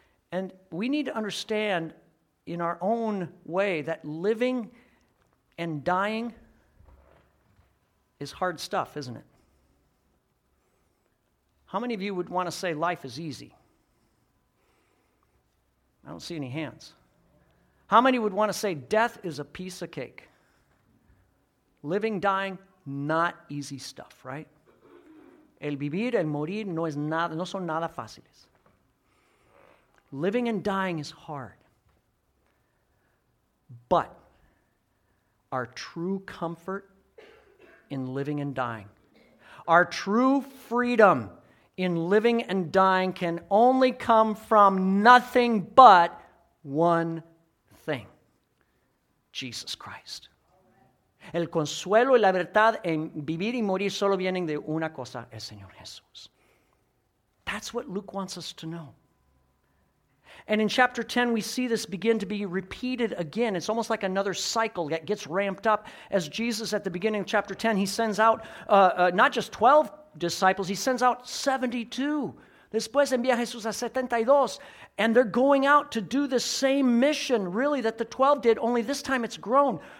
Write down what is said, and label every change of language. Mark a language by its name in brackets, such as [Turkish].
[English] And we need to understand in our own way that living and dying is hard stuff, isn't it? How many of you would want to say life is easy? I don't see any hands. How many would want to say death is a piece of cake? Living, dying, not easy stuff, right? [Spanish] El vivir, el morir, no es nada, no son nada fáciles. [English] Living and dying is hard. But our true comfort in living and dying, our true freedom in living and dying can only come from nothing but one thing, Jesus Christ. [Spanish] El consuelo y la verdad en vivir y morir solo vienen de una cosa, el Señor Jesús. [English] That's what Luke wants us to know. And in chapter 10, we see this begin to be repeated again. It's almost like another cycle that gets ramped up as Jesus at the beginning of chapter 10, he sends out not just 12 disciples, he sends out 72. [Spanish] Después envía Jesús a 72. [English] And they're going out to do the same mission, really, that the 12 did, only this time it's grown.